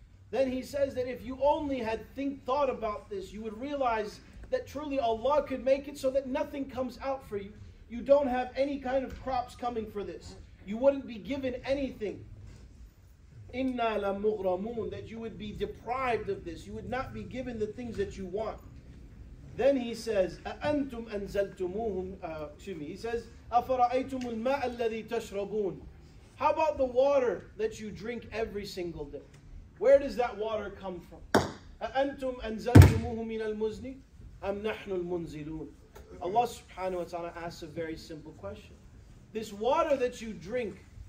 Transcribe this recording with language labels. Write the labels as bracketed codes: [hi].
[en] Then He says that if you only had thought about this, you would realize that truly Allah could make it so that nothing comes out for you. You don't have any kind of crops coming for this. You wouldn't be given anything. [ar] Inna la mughramun, [en] that you would be deprived of this. You would not be given the things that you want. Then He says, [ar] أَأَنْتُمْ أَنْزَلْتُمُوهُمْ [en] He says, [ar] أَفَرَأَيْتُمُ الْمَاءَ الَّذِي تَشْرَبُونَ. [en] How about the water that you drink every single day? Where does that water come from? [ar] أَأَنْتُمْ أَنْزَلْتُمُوهُ مِنَ الْمُزْنِ. أَمْ نَحْنُ الْمُنْزِلُونَ. [en] Allah subhanahu wa ta'ala asks a very simple question. This water that you drink,